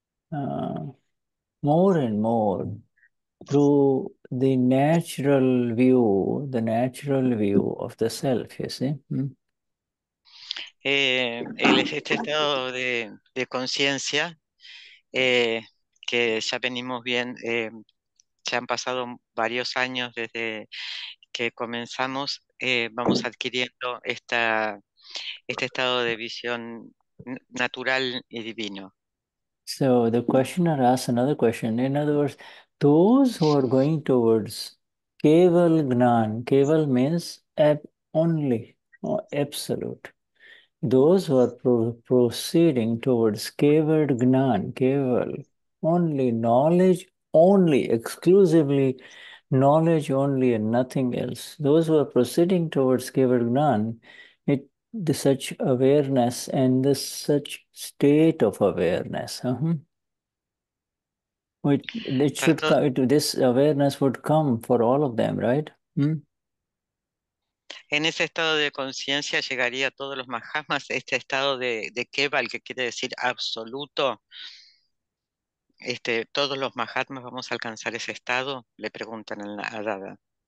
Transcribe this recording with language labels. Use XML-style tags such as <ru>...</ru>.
<en>more and more through the natural view, of the self, you see.</en> <es>Este estado de conciencia que ya venimos bien, ya han pasado varios años desde que comenzamos, vamos adquiriendo esta este estado de visión natural y divino.</es> <en>So the questioner asks another question. In other words, those who are going towards keval gnan, keval means only, or absolute. Those who are proceeding towards keval gnan, keval, only knowledge, only, exclusively knowledge only and nothing else. Those who are proceeding towards keval gnan, the such awareness and the such state of awareness, this awareness would come for all of them, right?</en> <es>En ese estado de conciencia llegaría a todos los mahatmas, este estado de keval, que quiere decir absoluto. Todos los mahatmas vamos a alcanzar ese estado, le preguntan a Dada.</es>